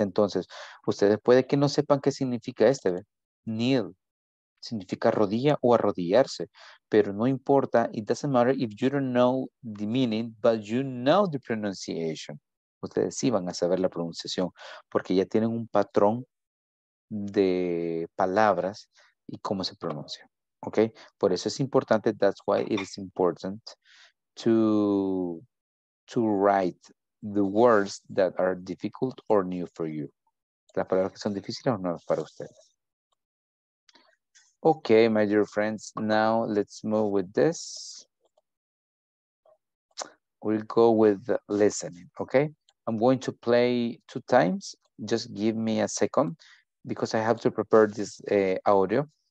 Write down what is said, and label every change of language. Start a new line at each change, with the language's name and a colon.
Spanish: Entonces, ustedes puede que no sepan qué significa este, nil. Significa rodilla o arrodillarse. Pero no importa.
English: It doesn't matter if you don't know the meaning, but you know the pronunciation.
Spanish: Ustedes sí van a saber la pronunciación porque ya tienen un patrón de palabras y cómo se pronuncia.
English: Okay,
Spanish: por eso es importante,
English: that's why it is important to write the words that are difficult or new for you.
Spanish: Las palabras que son difíciles o nuevas para ustedes.
English: Okay, my dear friends, now let's move with this. We'll go with listening, okay? I'm going to play two times. Just give me a second because I have to prepare this audio.